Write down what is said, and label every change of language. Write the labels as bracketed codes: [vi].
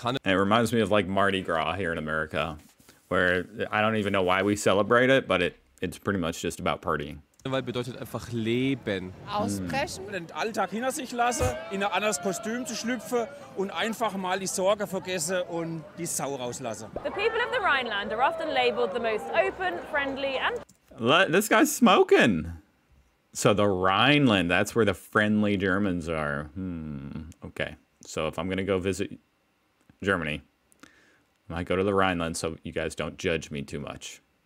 [en] It reminds me of like Mardi Gras here in America, where I don't even know why we celebrate it, but it's pretty much just about partying. [de] Weil bedeutet einfach leben. Ausbrechen. Den Alltag hinter sich lassen, in ein anderes Kostüm zu schlüpfen und einfach mal die Sorge vergessen und die Sau rauslassen. [en] The people of the Rhineland are often labeled the most open, friendly and... This guy's smoking. So the Rhineland, that's where the friendly Germans are. Okay. So if I'm going to go visit Germany, I might go to the Rhineland so you guys don't judge me too much.